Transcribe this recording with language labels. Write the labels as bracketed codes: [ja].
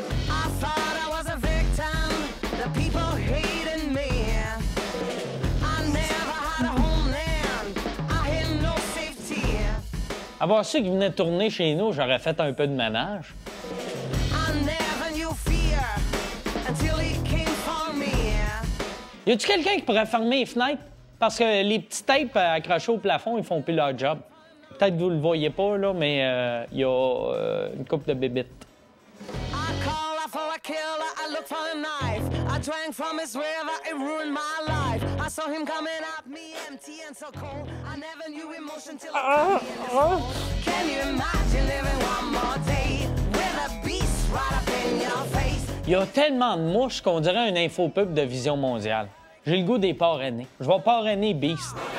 [en] I thought I was a victim, the people hating me. I never had a homeland, I had no safety. [fr] Avoir su qu'il venait tourner chez nous, j'aurais fait un peu de ménage. [en] I never knew fear until he came for me. [fr] Y a-tu quelqu'un qui pourrait fermer les fenêtres? Parce que les petits tapes accrochés au plafond, ils font plus leur job. Peut-être que vous le voyez pas, là, mais il y a une couple de bébites. [en] I call for a killer, I look for a knife. I drank from his river, it ruined my life. I saw him coming at me empty and so cold. I never knew emotion till I came in. Can you imagine living one more day with a beast right up in your face? [fr] Il y a tellement de mouches qu'on dirait un infopub de Vision Mondiale. J'ai le goût des parrainés. Je vais parrainer Beast.